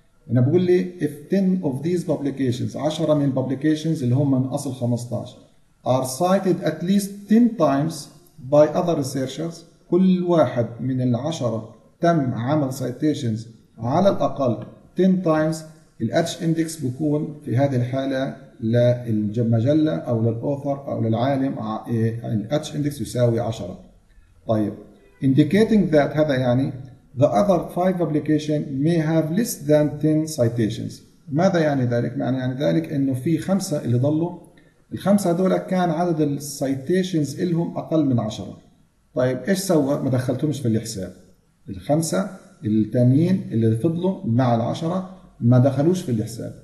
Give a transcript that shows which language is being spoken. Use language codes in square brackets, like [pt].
[ar] أنا بقول لي [en] if 10 of these publications, [ar] 10 من publications اللي هم من أصل 15 [en] are cited at least 10 times by other researchers, [ar] كل واحد من العشرة تم عمل citations على الأقل [en] 10 times, [ar] ال H index بيكون في هذه الحالة للمجلة أو للأوثر أو للعالم ال H index يساوي 10. [en] طيب indicating that, [ar] هذا يعني [en] the other 5 publications may have less than 10 citations. [ar] ماذا يعني ذلك؟ معنى يعني ذلك أنه في خمسة اللي ضلوا, الخمسة هذول كان عدد السيتيشنز إلهم أقل من 10. طيب إيش سوى؟ ما دخلتهمش في الحساب. الخمسة التانيين اللي فضلوا مع 10 ما دخلوش في الحساب.